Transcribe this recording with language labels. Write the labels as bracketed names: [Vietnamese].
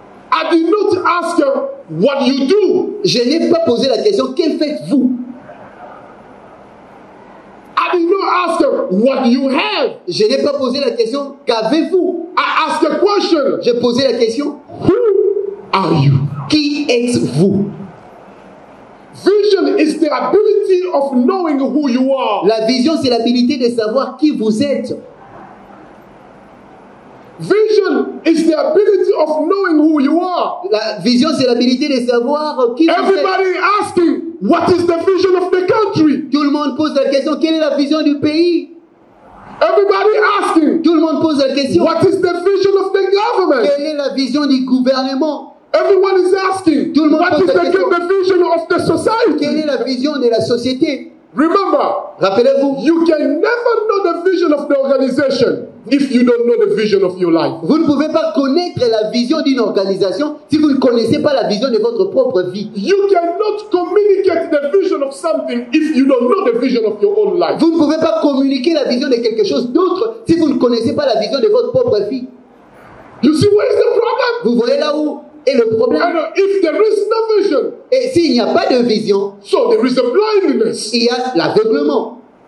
[English] I did not ask her, what you do. [French] Je n'ai pas posé la question, quel faites-vous? [English] I did not ask her, what you have. [French] Je n'ai pas posé la question, qu'avez-vous? [English] I asked a question. [French] J'ai posé la question, [English] who are you? [French] Qui êtes-vous? [English] Vision is the ability of knowing who you are. [French] La vision, c'est l'habilité de savoir qui vous êtes. [English] Vision is the ability of knowing who you are. [French] La vision, c'est l'habilité de savoir qui vous êtes. [English] Everybody is asking, what is the vision of the country? [French] Tout le monde pose la question, quelle est la vision du pays? [English] Everybody asking. [French] Tout le monde pose la question. [English] What is the vision of the government? [French] Quelle est la vision du gouvernement? [English] Everyone is asking. [French] Tout le monde pose la question. [English] What is the vision of the society? [French] Quelle est la vision de la société? [English] Remember. [French] Rappelez-vous. [English] You can never know the vision of the organization if you don't know the vision of your life. [French] Vous ne pouvez pas connaître la vision d'une organisation si vous ne connaissez pas la vision de votre propre vie. [English] You cannot communicate the vision of something if you don't know the vision of your own life. [French] Vous ne pouvez pas communiquer la vision de quelque chose d'autre si vous ne connaissez pas la vision de votre propre vie. [English] You see where is the problem? [French] Vous voyez là où est le problème? [English] And if there is no vision, [French] et s'il n'y a pas de vision, [English] so there is a blindness. [French] Il y a l'aveuglement.